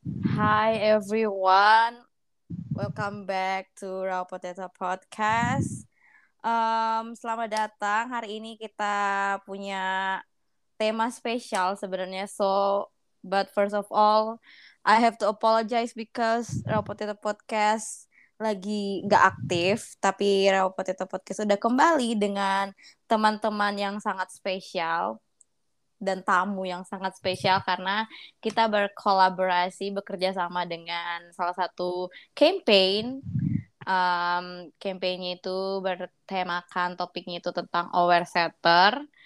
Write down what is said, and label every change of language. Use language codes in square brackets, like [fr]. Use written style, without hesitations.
[en] Hi everyone, welcome back to Raw Potato Podcast. [id] Selamat datang. Hari ini kita punya tema spesial sebenarnya. [en] So, but first of all, I have to apologize because Raw Potato Podcast [id] lagi nggak aktif. Tapi Raw Potato Podcast sudah kembali dengan teman-teman yang sangat spesial. Dan tamu yang sangat spesial karena kita berkolaborasi, bekerja sama dengan salah satu campaign. Campaignnya itu bertemakan, topiknya itu tentang Oversetter.